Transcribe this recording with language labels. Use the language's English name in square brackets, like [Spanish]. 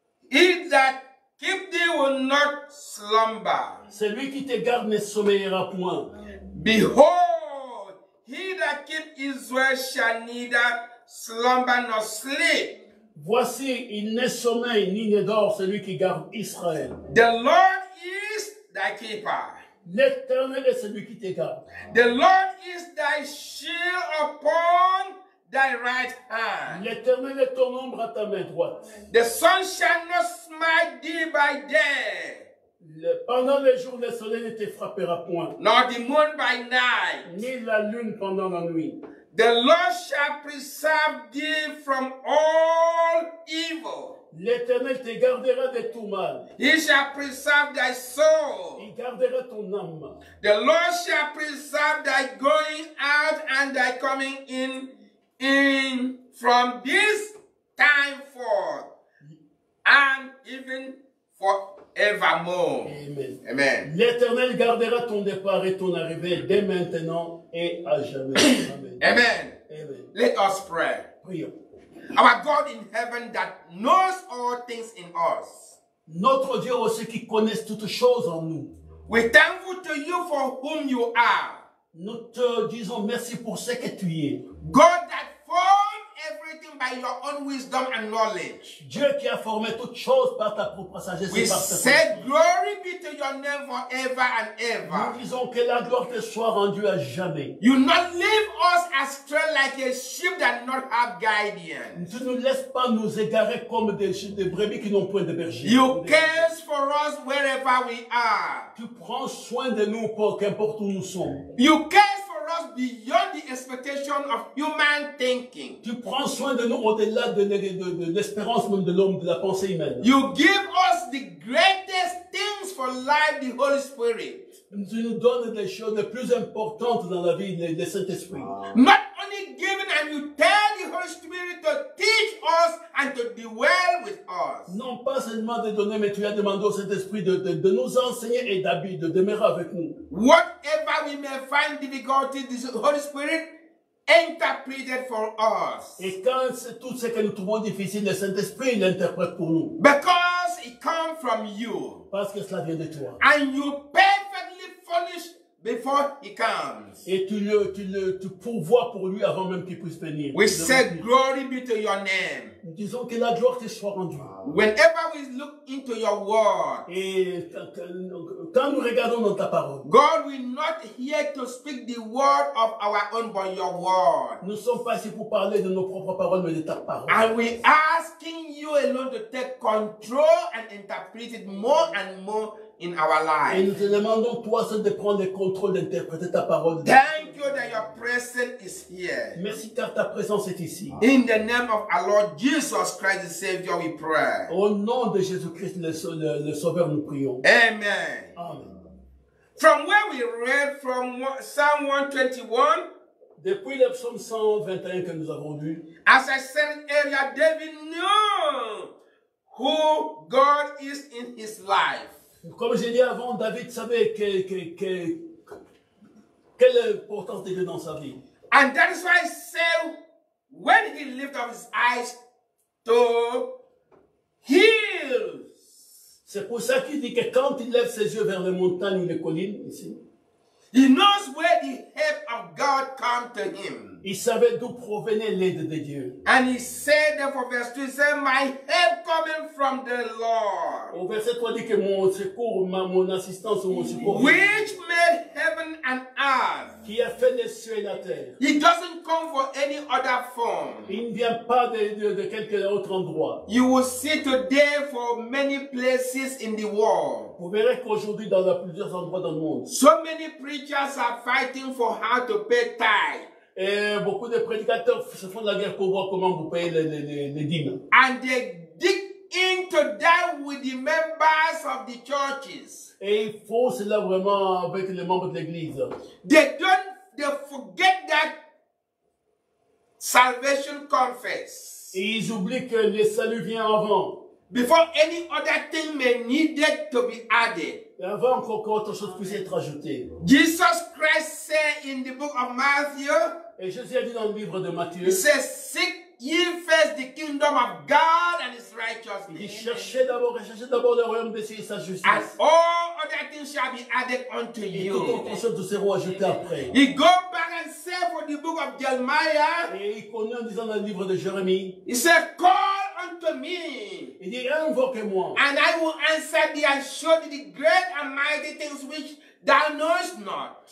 [English] He that keep thee will not slumber. [French] Celui qui te garde ne sommeillera point. [English] Behold, he that keep Israel shall neither slumber nor sleep. [French] Voici, il ne sommeille ni ne dort celui qui garde Israël. [English] The Lord is thy keeper. [French] L'Éternel est celui qui te garde. [English] The Lord is thy shield upon thy right hand. [French] L'Éternel est ton ombre à ta main droite. [English] The sun shall not smite thee by day. [French] Pendant les jours, le soleil ne te frappera point. [English] Nor the moon by night. [French] Ni la lune pendant la nuit. [English] The Lord shall preserve thee from all evil. [French] L'Éternel te gardera de tout mal. [English] He shall preserve thy soul. [French] Il gardera ton âme. [English] The Lord shall preserve thy going out and thy coming in from this time forth and even for evermore. Amen. Amen. [French] L'Éternel gardera ton départ et ton arrivée dès maintenant et à jamais. Amen. Amen. [English] Let us pray. [French] Prions. [English] Our God in heaven that knows all things in us. [French] Notre Dieu aussi qui connaît toutes choses en nous. [English] We thankful to you for whom you are. [French] Nous te disons merci pour ce que tu es. [English] God that formed everything by your own wisdom and knowledge. [French] Dieu qui a formé toutes choses par ta propre sagesse et par ta sagesse. [English] We said glory be to your name forever and ever. [French] Nous disons que la gloire te soit rendue à jamais. [English] You not leave us astray like a sheep that not have guidance. [French] Tu ne nous laisses pas nous égarer comme des brebis qui n'ont point de berger. [English] You care for us wherever we are. [French] Tu prends soin de nous pour qu'importe où nous sommes. [English] You care for us beyond the expectation of human thinking. [French] Tu prends soin de nous au-delà de l'espérance même de l'homme, de la pensée humaine. [English] You give us the greatest things for life, the Holy Spirit. [French] Tu nous donnes les choses les plus importantes dans la vie, le Saint-Esprit. [English] Not only giving, and you tell the Holy Spirit to teach us and to dwell with us. [French] Non pas seulement de donner, mais tu as demandé au Saint-Esprit de nous enseigner et d'habiter, de demeurer avec nous. [English] Whatever we may find difficulty, the Holy Spirit interpreted for us. [French] Et quand c'est tout ce que nous trouvons difficile, le Saint-Esprit l'interprète pour nous. [English] Because it comes from you. [French] Parce que cela vient de toi. [English] And you perfectly furnish before he comes. [French] Et tu pourvois pour lui avant même qu'il puisse venir. [English] We say glory be to your name. [French] Disons que la gloire te soit rendue. [English] Whenever we look into your word. [French] Et quand nous regardons dans ta parole. [English] God will not hear to speak the word of our own but your word. [French] Nous sommes pas ici pour parler de nos propres paroles mais de ta parole. [English] And we asking you alone to take control and interpret it more and more in our life. [French] Et nous te demandons toi seul de prendre le contrôle d'interpréter ta parole. [English] Thank you that your presence is here. [French] Merci car ta présence est ici. [English] In the name of our Lord Jesus Christ, the Savior, we pray. [French] Au nom de Jésus-Christ, le Sauveur, nous prions. [English] Amen. [French] Amen. [English] From where we read from Psalm 121. [French] Depuis le psaume 121 que nous avons lu. [English] As I said earlier, David knew who God is in his life. [French] Comme j'ai dit avant, David savait quelle est l'importance de Dieu dans sa vie. [English] And that is why he said, when he lifted up his eyes to hills. [French] C'est pour ça qu'il dit que quand il lève ses yeux vers les montagnes ou les collines, ici, [English] he knows where the help of God comes to him. [French] Il savait d'où provenait l'aide de Dieu. [English] And he said therefore, verse 2, he said, my help coming from the Lord. [French] Au verset 3, dit que mon secours, mon assistance, mon secours. [English] Which made heaven and earth. [French] Qui a fait les cieux et la terre. [English] He doesn't come for any other form. [French] Il ne vient pas de quelque autre endroit. [English] You will see today for many places in the world. [French] Vous verrez qu'aujourd'hui dans plusieurs endroits dans le monde. [English] So many preachers are fighting for how to pay tithe. [French] Et beaucoup de prédicateurs se font de la guerre pour voir comment vous payez les dîmes. [English] And they dig into that with the members of the churches. [French] Et ils font cela vraiment avec les membres de l'église. [English] They forget that salvation comes first. [French] Et ils oublient que le salut vient avant. [English] Before any other thing may needed to be added. [French] Et avant encore qu'autre chose puisse être ajoutée. [English] Jesus Christ said in the book of Matthew. [French] Et Jésus a dit dans le livre de Matthieu. [English] He says, seek ye first the kingdom of God and his righteousness. [French] Il dit, cherchez d'abord le royaume de Dieu et sa justice. [English] And all other things shall be added unto you. [French] Et toutes autres choses vous seront ajoutées après. [English] He goes back and says for the book of Jeremiah. [French] Et il connaît en disant dans le livre de Jérémie. [English] He says, call unto me. [French] Il dit, invoquez-moi. [English] And I will answer thee and show thee the great and mighty things which thou knowest not.